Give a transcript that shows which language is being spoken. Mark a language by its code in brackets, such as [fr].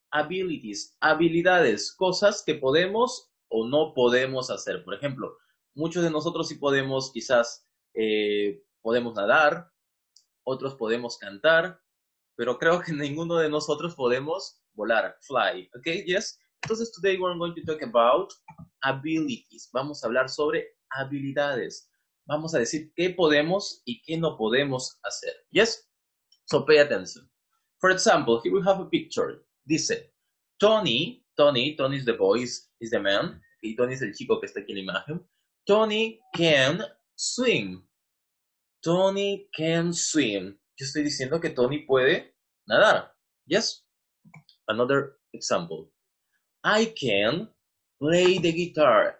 [es] Abilities, habilidades, cosas que podemos o no podemos hacer. Por ejemplo, muchos de nosotros sí podemos, quizás, podemos nadar, otros podemos cantar, pero creo que ninguno de nosotros podemos volar, fly, ¿ok? [en] Yes. Entonces, today we're going to talk about abilities. [es] Vamos a hablar sobre habilidades. Vamos a decir qué podemos y qué no podemos hacer. [en] Yes. So pay attention. For example, here we have a picture. Dice, Tony is the boy, is the man. [es] Y Tony es el chico que está aquí en la imagen. [en] Tony can swim. Tony can swim. [es] Yo estoy diciendo que Tony puede nadar. Yes. [en] Another example. I can play the guitar.